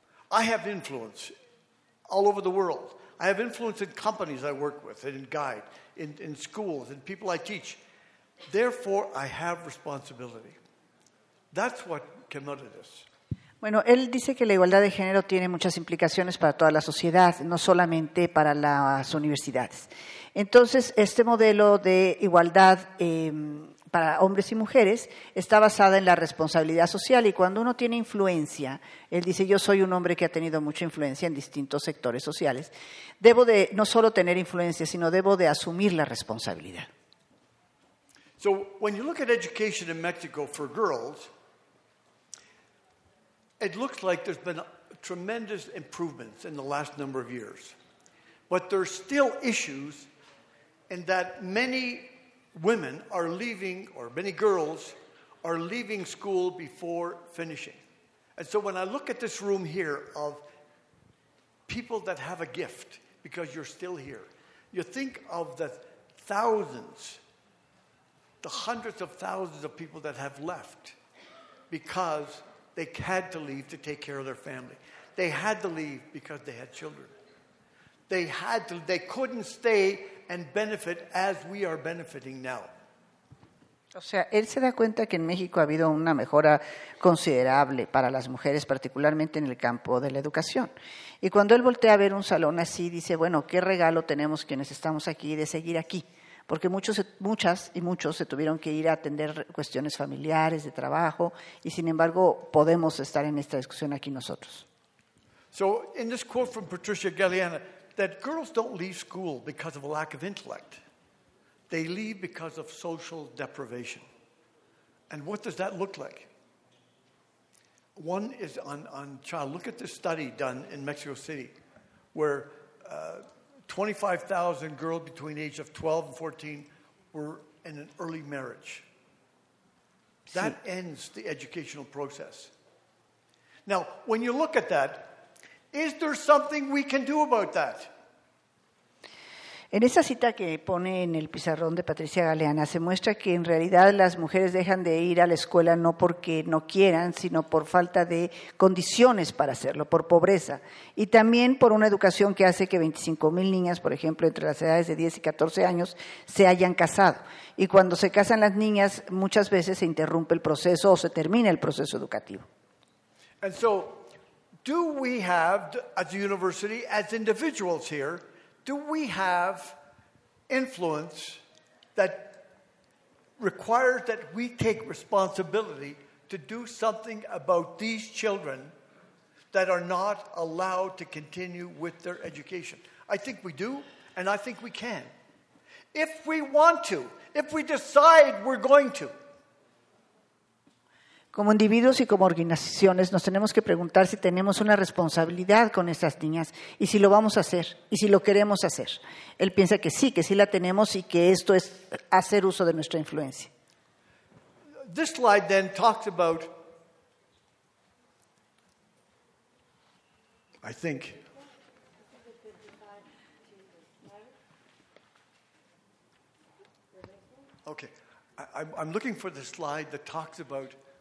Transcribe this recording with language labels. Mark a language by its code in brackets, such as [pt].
[en] I have influence all over the world. I have influence in companies I work with and guide, in schools, in people I teach. Therefore, I have responsibility. That's what came out of this. [es] Bueno, él dice que la igualdad de género tiene muchas implicaciones para toda la sociedad, no solamente para las universidades. Entonces, este modelo de igualdad para hombres y mujeres está basada en la responsabilidad social, y cuando uno tiene influencia, él dice, yo soy un hombre que ha tenido mucha influencia en distintos sectores sociales, debo de no solo tener influencia, sino debo de asumir la responsabilidad. [en] So when you look at education in Mexico for girls, it looks like there's been tremendous improvements in the last number of years, but there's still issues in that many women are leaving, or many girls are leaving school before finishing. And so when I look at this room here of people that have a gift, because you're still here, you think of the thousands, the hundreds of thousands of people that have left because they had to leave to take care of their family. They had to leave because they had children. They couldn't stay and benefit as we are benefiting now. [es] O sea, él se da cuenta que en México ha habido una mejora considerable para las mujeres, particularmente en el campo de la educación. Y cuando él voltea a ver un salón así, dice, bueno, ¿qué regalo tenemos quienes estamos aquí de seguir aquí? Porque muchas y muchos se tuvieron que ir a atender cuestiones familiares, de trabajo, y sin embargo podemos estar en esta discusión aquí nosotros. [en] So, in this quote from Patricia Galeana, that girls don't leave school because of a lack of intellect. They leave because of social deprivation. And what does that look like? One is on child. Look at this study done in Mexico City where 25,000 girls between age of 12 and 14 were in an early marriage. That sí. ends the educational process. Now, when you look at that, is there something we can do about that? [es] En esa cita que pone en el pizarrón de Patricia Galeana, se muestra que en realidad las mujeres dejan de ir a la escuela no porque no quieran, sino por falta de condiciones para hacerlo, por pobreza. Y también por una educación que hace que 25,000 niñas, por ejemplo, entre las edades de 10 y 14 años, se hayan casado. Y cuando se casan las niñas, muchas veces se interrumpe el proceso o se termina el proceso educativo. [en] And so, do we have, as a university, as individuals here, do we have influence that requires that we take responsibility to do something about these children that are not allowed to continue with their education? I think we do, and I think we can. If we want to, if we decide we're going to. [es] Como individuos y como organizaciones, nos tenemos que preguntar si tenemos una responsabilidad con estas niñas y si lo vamos a hacer y si lo queremos hacer. Él piensa que sí la tenemos y que esto es hacer uso de nuestra influencia. [en] This slide then talks about, I think, okay, I'm looking for the slide that talks about.